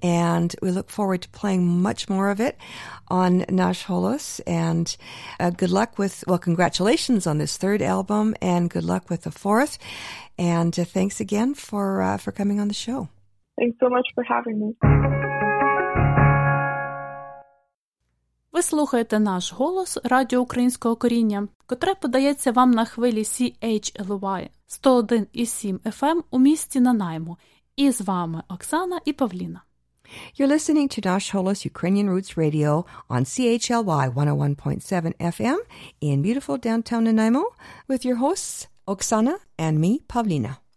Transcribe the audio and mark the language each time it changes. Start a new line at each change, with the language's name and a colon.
English: And we look forward to playing much more of it on Nash Holos. And good luck with, well, congratulations on this third album, and good luck with the fourth. And thanks again for coming on the show. Thanks so much for having me.
Ukrainian: Ви слухаєте «Наш голос» радіо українського коріння, котре подається вам на хвилі CHLY 101.7 FM у місті Нанаймо. І з вами Оксана і Павліна.
English: You're listening to Nash Holos Ukrainian Roots Radio on CHLY 101.7 FM in beautiful downtown Nanaimo with your hosts, Oksana, and me, Pavlina.